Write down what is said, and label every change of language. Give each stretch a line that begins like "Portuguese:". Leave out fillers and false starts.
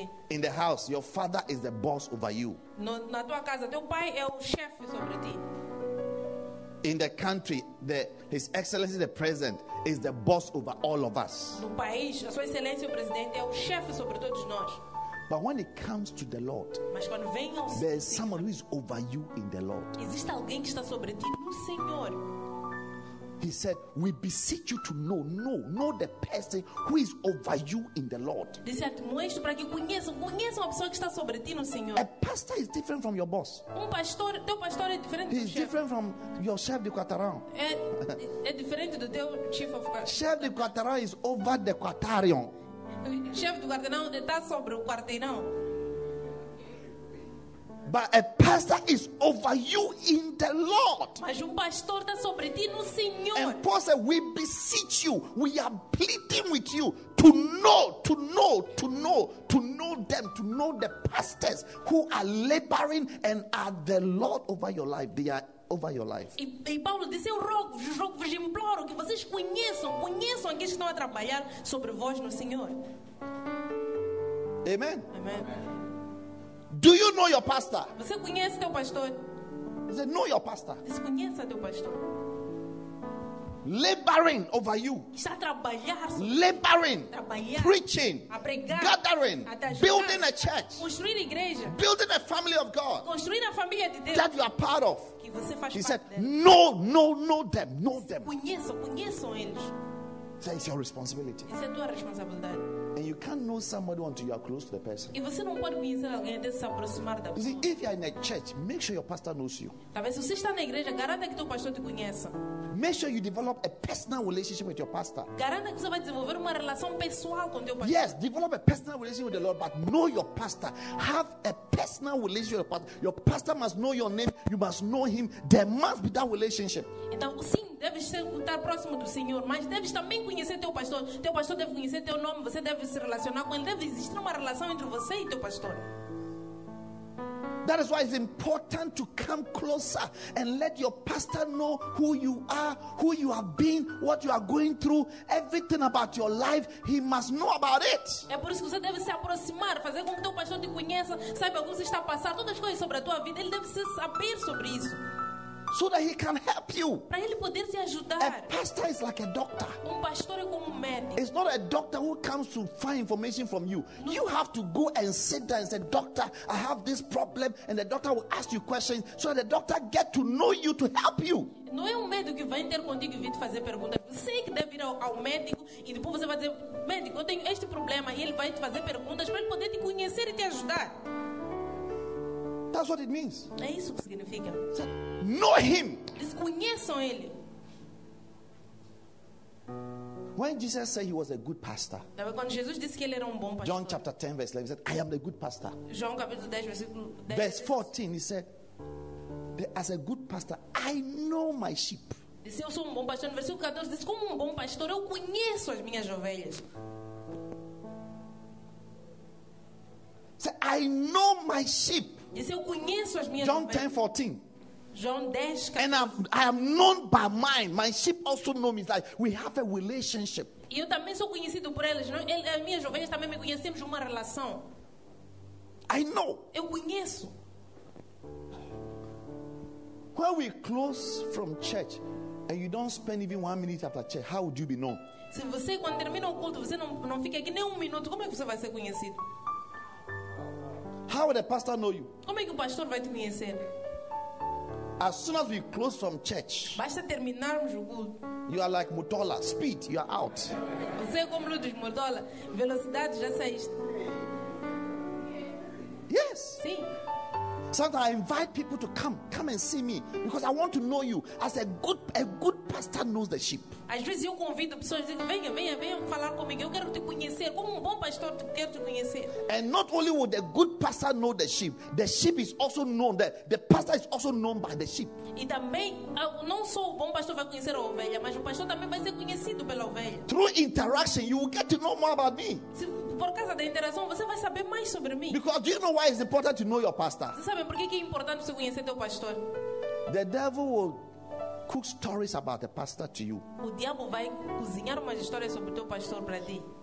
English: In the house, your father is the boss over you.
Portuguese: Na tua casa, teu pai é o chefe sobre ti.
English: In the country, His Excellency the President is the boss over all of us.
Portuguese: No país, a sua excelência o presidente é o chefe sobre todos nós.
English: But when it comes to the Lord,
Portuguese: mas quando vem ao
English: there is someone who is over you in the Lord.
Portuguese: Existe alguém que está sobre ti no Senhor.
English: He said, we beseech you to know the person who is over you in the Lord. A pastor is different from your boss.
Portuguese: Teu pastor é diferente.
English: He's different from your chef de quartarão.
Portuguese: É diferente do teu chief of quartarão.
English: Chef de quartarão is over the quartarion.
Portuguese: Chef do quartarão está sobre o quartarão.
English: But a pastor is over you in the Lord.
Portuguese: Mas pastor está sobre ti no Senhor.
English: And Paul said, we beseech you, we are pleading with you to know them, to know the pastors who are laboring and are the Lord over your life. They are over your life.
Portuguese: E Paulo disse, eu rogo, vos imploro que vocês conheçam aqueles que estão a trabalhar sobre vós no Senhor.
English: Amen.
Portuguese: Amen.
English: Do you know your pastor?
Portuguese: Você conhece teu pastor?
English: He said, know your pastor.
Portuguese: Você conhece teu pastor?
English: Laboring over you.
Portuguese: Está a trabalhar.
English: Laboring.
Portuguese: Trabalhar.
English: Preaching.
Portuguese: A pregar.
English: Gathering.
Portuguese: A ajudar,
English: building a church.
Portuguese: Construir igreja.
English: Building a family of God.
Portuguese: Construir a família de Deus.
English: That you are part of.
Portuguese: Que você faz
English: he
Portuguese: parte
English: said, know them, know
Portuguese: você
English: them.
Portuguese: Conheçam eles.
English: That is your responsibility.
Portuguese: Isso é tua responsabilidade.
English: And you can't know somebody until you are close to the person.
Portuguese: E você não pode conhecer alguém até se aproximar da pessoa.
English: You see, if you are in a church, make sure your pastor knows you.
Portuguese: Talvez você está na igreja, garanta que teu pastor te conheça.
English: Make sure you develop a personal relationship with your pastor.
Portuguese: Garanta que você vai desenvolver uma relação pessoal com teu pastor.
English: Yes, develop a personal relationship with the Lord, but know your pastor. Have a personal relationship with your pastor. Your pastor must know your name. You must know him. There must be that relationship.
Portuguese: Então, sim, deves estar próximo do Senhor, mas deves também conhecer teu pastor. Teu pastor deve conhecer teu nome. Você deve se relacionar com ele. Deve existir uma relação entre você e teu pastor.
English: That is why it's important to come closer and let your pastor know who you are, who you have been, what you are going through, everything about your life. He must know about it.
Portuguese: É por isso que você deve se aproximar, fazer com que teu pastor te conheça, saiba como você está passando, todas as coisas sobre a tua vida. Ele deve saber sobre isso.
English: So that he can help you.
Portuguese: Para ele poder te ajudar.
English: A pastor is like a doctor.
Portuguese: Um pastor é como um médico.
English: It's not a doctor who comes to find information from you. No. You have to go and sit there and say, "Doctor, I have this problem," and the doctor will ask you questions so that the doctor get to know you to help you.
Portuguese: Não é um médico que vai ter contigo e vai te fazer perguntas. Você que deve ir ao médico e depois você vai dizer, "Médico, eu tenho este problema," e ele vai te fazer perguntas para ele poder te conhecer e te ajudar.
English: That's what it means.
Portuguese: É isso que significa.
English: So, know him.
Portuguese: Eles conheçam ele.
English: When Jesus said he was a good pastor.
Portuguese: Quando Jesus disse que ele era um bom pastor.
English: John chapter 10 verse 11, he said, "I am the good pastor."
Portuguese: João capítulo 10 versículo 10.
English: Verse 14, he said, "As a good pastor, I know my sheep."
Portuguese: Disse, eu sou um bom pastor. No versículo 14, disse, como um bom pastor, eu conheço as minhas ovelhas.
English: Said, "I know my sheep."
Portuguese: Disse, eu conheço as minhas ovelhas. John 10:14. João 10,
English: and I am known by mine. My sheep also know me. Like we have a relationship.
Portuguese: Eu também sou conhecido por elas. Não? As minhas ovelhas também me conhecemos de uma relação.
English: I know.
Portuguese: Eu conheço.
English: When we close from church and you don't spend even 1 minute after church, how would you be known?
Portuguese: Se você quando termina o culto você não fica aqui nem 1 minuto, como é que você vai ser conhecido?
English: How would a pastor know you?
Portuguese: Como é que o pastor vai te conhecer?
English: As soon as we close from church,
Portuguese: basta terminarmos o culto,
English: you are like Motola, speed, you are out.
Portuguese: Você é como Ludwig Motola, velocidade, já saíste.
English: Yes.
Portuguese: Sim.
English: Sometimes I invite people to come and see me because I want to know you as a good pastor knows the sheep.
Portuguese: Às vezes eu convido pessoas dizendo, venha falar comigo, eu quero te conhecer como um bom pastor, quero te conhecer.
English: And not only would a good pastor know the sheep is also known, the pastor is also known by the sheep.
Portuguese: E também não só o bom pastor vai conhecer a ovelha, mas o pastor também vai ser conhecido pela ovelha.
English: Through interaction you will get to know more about me.
Portuguese: Por causa da interação você vai saber mais sobre mim.
English: Because do you know why it's important to know your pastor?
Portuguese: Sabe por que é importante você conhecer teu pastor?
English: The devil will cook stories about the pastor to you.
Portuguese: O diabo vai cozinhar umas histórias sobre teu pastor para ti.